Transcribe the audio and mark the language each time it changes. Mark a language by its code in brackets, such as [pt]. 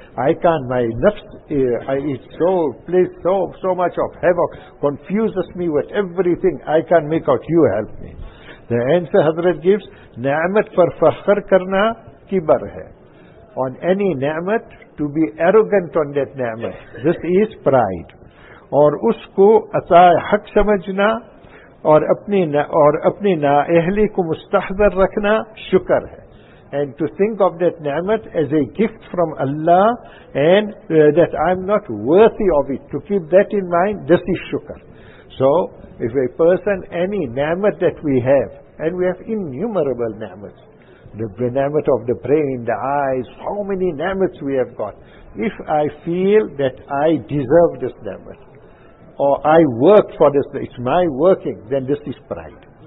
[en] I can't, my nafs plays so much of havoc, confuses me with everything. I can't make out, you help me. The answer Hazrat gives, [ur] ni'mat par fakhr karna kibar hai. [en] On any ni'mat, to be arrogant on that ni'mat, this is pride. [ur] اور اس کو عطا حق سمجھنا اور اپنی نااہلی کو مستحضر رکھنا شکر ہے. [en] And to think of that ni'mat as a gift from Allah and that I'm not worthy of it, to keep that in mind, this is shukr. So if a person, any ni'mat that we have, and we have innumerable ni'mats, the ni'mat of the brain, the eyes, how many ni'mats we have got, if I feel that I deserve this ni'mat, or I work for this, it's my working, then this is pride.